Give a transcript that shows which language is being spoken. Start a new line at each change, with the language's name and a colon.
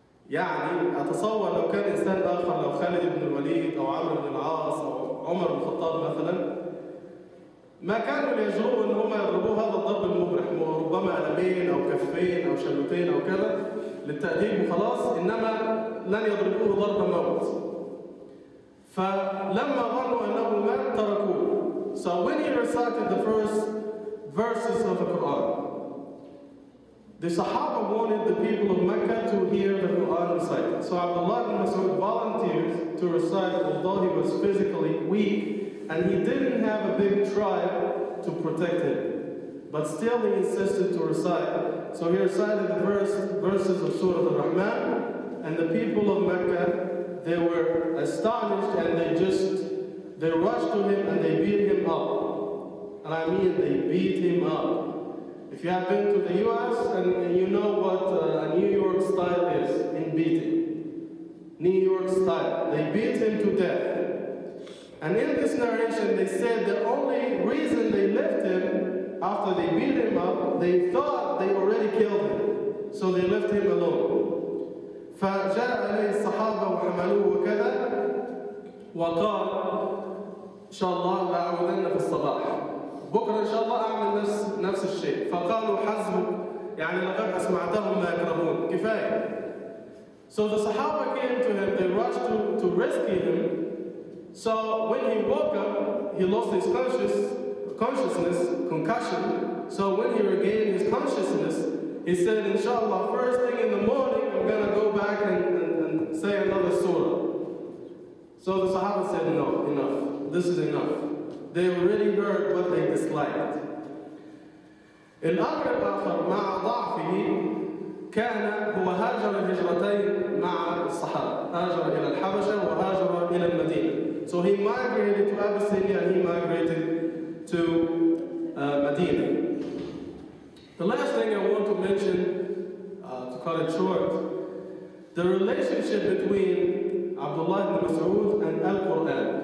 Arabic: يعني أتصور لو كان إنسان آخر، لو خالد بن الوليد أو عمرو بن العاص أو عمر بن الخطاب مثلا، ما كانوا يجرؤوا إن هم يضربوا هذا الضرب المبرح، ربما قلمين أو كفين أو شلوتين أو كذا للتأديب وخلاص، إنما لن يضربوه ضرب موت. فلما ظنوا أنه مات تركوه.
English: So when he recited the first verses of the Quran, the Sahaba wanted the people of Mecca to hear the Quran recited. So Abdullah ibn Mas'ud volunteered to recite, although he was physically weak and he didn't have a big tribe to protect him. But still he insisted to recite. So he recited the verses of Surah Al-Rahman, and the people of Mecca, they were astonished, and they rushed to him and they beat him up. And I mean they beat him up. If you have been to the US, and you know what a New York style is in beating. New York style. They beat him to death. And in this narration, they said the only reason they left him after they beat him up, they thought they already killed him. So they left him alone.
Arabic: فجاء عليه الصحابة وحملوه وكذا وقال إن شاء الله لأعودن في الصباح، بكرة إن شاء الله أعمل نفس الشيء. فقالوا حزم، يعني لقد أسمعتهم ما يكرهون، كفاية.
English: So the Sahaba came to him, they rushed to rescue him. So when he woke up, he lost his consciousness, concussion. So when he regained his consciousness, he said, inshallah, first thing in the morning, I'm going to go back and say another surah. So the Sahaba said, no, enough. This is enough. They already heard what they disliked.
Arabic: الأمر الآخر مع ضعفه كان هو هاجر الهجرتين مع الصحابة. هاجر إلى الحبشة وهاجر إلى المدينة.
English: So he migrated to Abyssinia and he migrated to Medina. The last thing I want to mention, to call it short, the relationship between Abdullah ibn Mas'ud and Al-Qur'an.